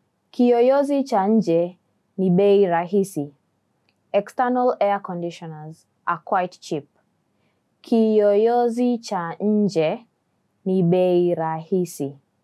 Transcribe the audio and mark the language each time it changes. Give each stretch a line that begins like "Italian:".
Swahili: Kiyoyozi cha nje ni bei rahisi.
English: External air conditioners are quite cheap.
Swahili: Kiyoyozi cha nje ni bei rahisi.